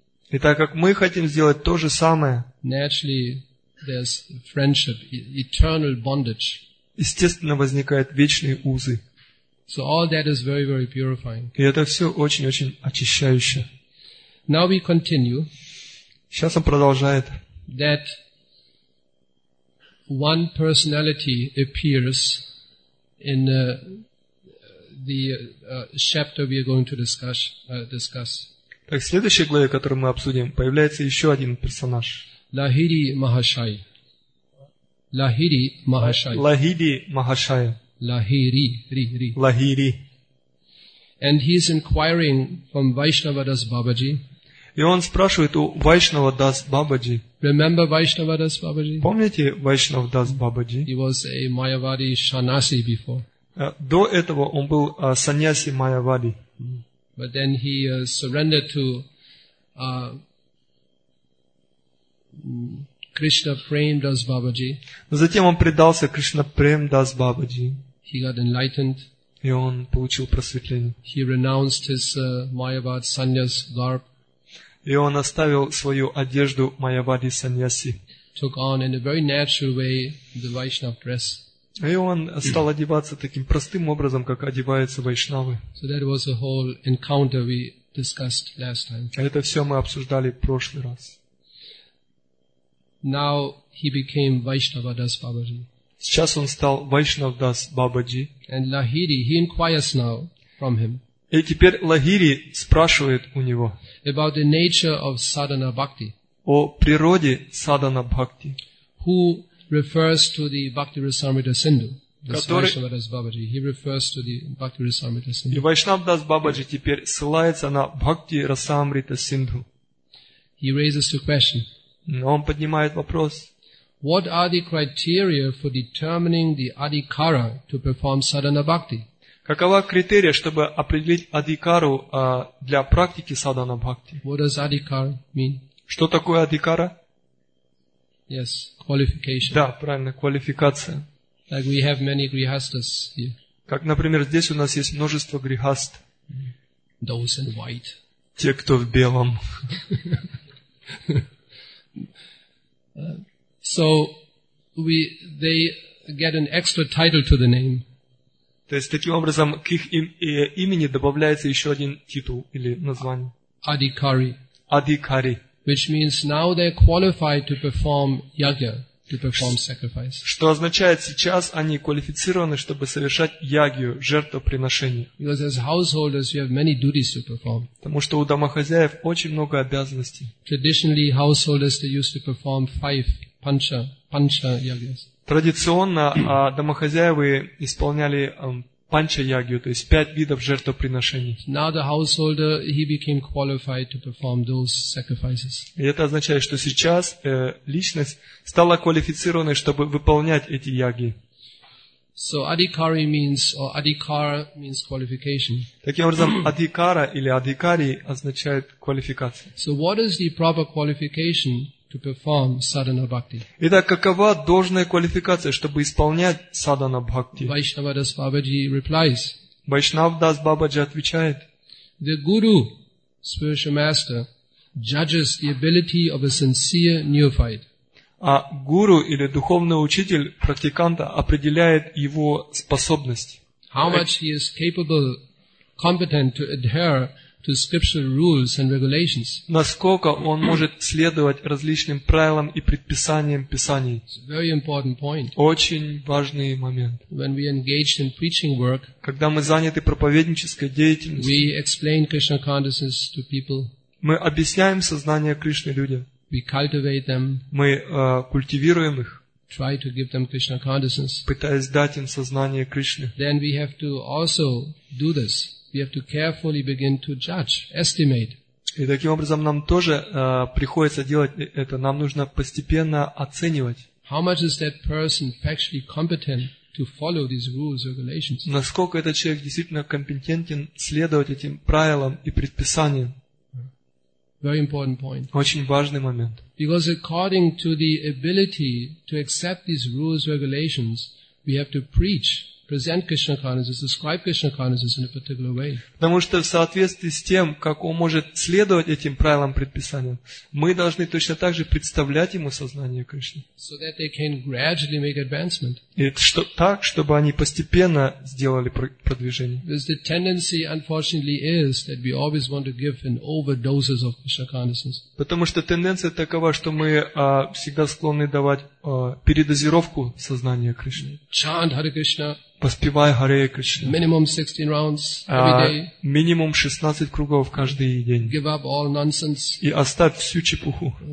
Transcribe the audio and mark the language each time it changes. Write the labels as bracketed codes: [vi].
[ru] И так как мы хотим сделать то же самое, [en] there's friendship, eternal bondage. [ru] Естественно, возникают вечные узы. [en] So all that is very, very purifying. [ru] И это все очень-очень очищающе. [en] Now we continue. [ru] Сейчас он продолжает. [en] That one personality appears in the chapter we are going to discuss. [ru] Так, в следующей главе, которую мы обсудим, появляется еще один персонаж. Лахири Махашай. Лахири Махашай. Лахири Махашай. Лахири. Лахири. [en] And he is inquiring from Vaishnavadas Babaji. [ru] И он спрашивает у Вайшнавадас Бабаджи. [en] Remember Vaishnavadas Babaji? [ru] Помните Вайшнавадас Бабаджи? [en] He was a Mayavadi Shanasi before. [ru] До этого он был саньяси Майявади. [en] But then he surrendered to Krishna Prem Das Babaji. [ru] Но затем он предался Кришна Прем Дас Бабаджи. [en] He got enlightened. [ru] И он получил просветление. [en] He renounced his Mayavad Sanyas garb. [ru] И он оставил свою одежду Mayavadi Sanyasi. [en] Took on in a very natural way the Vaishnava dress. [ru] И он стал одеваться таким простым образом, как одеваются вайшнавы. [en] So that was a whole encounter we discussed last time. [ru] Это все мы обсуждали в прошлый раз. [en] Now he became Vaishnava Das Babaji. [ru] Сейчас он стал Vaishnava Das Babaji. [en] And Lahiri, he inquires now from him. [ru] И теперь Лахири спрашивает у него [en] about the nature of sadhana bhakti. [ru] О природе sadhana bhakti. [en] Who refers to the Bhakti Rasamrita Sindhu? Vaishnava Das Babaji. He refers to the Bhakti Rasamrita Sindhu. [ru] И Vaishnava Das Babaji теперь ссылается на Bhakti Rasamrita Sindhu. [en] He raises the question. [ru] Но он поднимает вопрос. [en] What are the criteria for determining the adhikara to perform sadhana bhakti? [ru] Какова критерия, чтобы определить адикару для практики садхана бхакти? [en] What does adhikara mean? [ru] Что такое адикара? [en] Yes, qualification. [ru] Да, правильно, квалификация. [en] Like we have many grihasthas here. [ru] Как, например, здесь у нас есть множество грихаст. [en] Those in white. [ru] Те, кто в белом. [en] So they get an extra title to the name. [ru] То есть таким образом к их имени добавляется еще один титул или название. [en] Adhikari. [ru] Adhikari. [en] Which means now they're qualified to perform yajna, to perform sacrifice. [ru] Что означает сейчас они квалифицированы, чтобы совершать ягью, жертвоприношение. [en] Because as householders you have many duties to perform. [ru] Потому что у домохозяев очень много обязанностей. [en] Traditionally householders they used to perform five панча ягьяс. [ru] Традиционно домохозяева исполняли панча-ягью, то есть пять видов жертвоприношений. [en] Now the householder, he became qualified to perform those sacrifices. [ru] И это означает, что сейчас личность стала квалифицированной, чтобы выполнять эти яги. [en] So adhikari means, or adhikara means qualification. [ru] Таким образом, адхикара или адхикари означает квалификация. [en] So what is the proper qualification to perform sadhana bhakti? [ru] Итак, какова должная квалификация, чтобы исполнять садхана бхакти? [en] Vaishnava Das Babaji replies. [ru] Vaishnava Das Babaji отвечает. [en] The guru, spiritual master, judges the ability of a sincere neophyte. [ru] А гуру или духовный учитель практиканта определяет его способность. [en] How much he is capable, competent to adhere to scriptural rules and regulations. [ru] Насколько он может следовать различным правилам и предписаниям писаний. [en] It's a very important point. [ru] Очень важный момент. [en] When we engage in preaching work, [ru] когда мы заняты проповеднической деятельностью, [en] we explain Krishna consciousness to people. [ru] Мы объясняем сознание Кришны людям. [en] We cultivate them. [ru] Мы культивируем их. [en] Try to give them Krishna consciousness. [ru] Пытаясь дать им сознание Кришны. [en] Then we have to also do this. We have to carefully begin to judge, estimate. [ru] И таким образом нам тоже приходится делать это. Нам нужно постепенно оценивать. [en] How much is that person factually competent to follow these rules or regulations? [ru] Насколько этот человек действительно компетентен следовать этим правилам и предписаниям? [en] Very important point. [ru] Очень важный момент. [en] Because according to the ability to accept these rules, regulations, we have to preach. Present Krishna consciousness, describe Krishna consciousness in a particular way. [ru] Потому что в соответствии с тем, как он может следовать этим правилам предписаниям, мы должны точно так же представлять ему сознание Кришны. [en] So that they can gradually make advancement. [ru] И что, так, чтобы они постепенно сделали продвижение. [en] Because the tendency, unfortunately, is that we always want to give an overdoses of Krishna consciousness. [ru] Потому что тенденция такова, что мы всегда склонны давать передозировку сознания Кришны. [en] Chant Hare Krishna. [ru] Поспевай Харе Кришна. [en] Minimum 16 rounds every day. [ru] Минимум 16 кругов каждый день. [en] Give up all nonsense. [ru] И оставь всю чепуху.